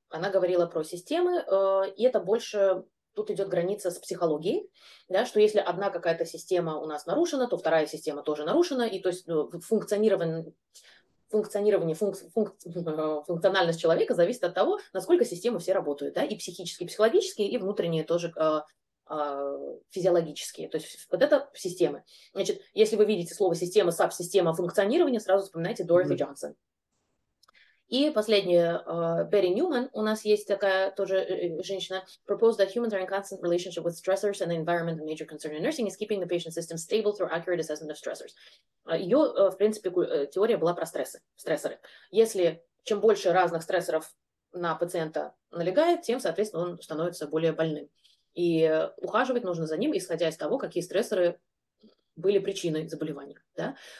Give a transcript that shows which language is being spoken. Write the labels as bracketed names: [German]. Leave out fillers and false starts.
[Russian] Она говорила про системы, и это больше... Тут идет граница с психологией, да, что если одна какая-то система у нас нарушена, то вторая система тоже нарушена, и то есть функциональность человека зависит от того, насколько системы все работают, да, и психические, психологические, и внутренние тоже физиологические. То есть вот это системы. Значит, если вы видите слово система, субсистема функционирования, сразу вспоминайте Дороти Джонсон. И последняя, Берри Ньюман, у нас есть такая тоже женщина, [English] proposed that humans are in constant relationship with stressors and the environment of major concern in nursing is keeping the patient system stable through accurate assessment of stressors. [Russian] Ее, в принципе, теория была про стрессоры. Если чем больше разных стрессоров на пациента налегает, тем, соответственно, он становится более больным. И ухаживать нужно за ним, исходя из того, какие стрессоры были причиной заболевания. Да?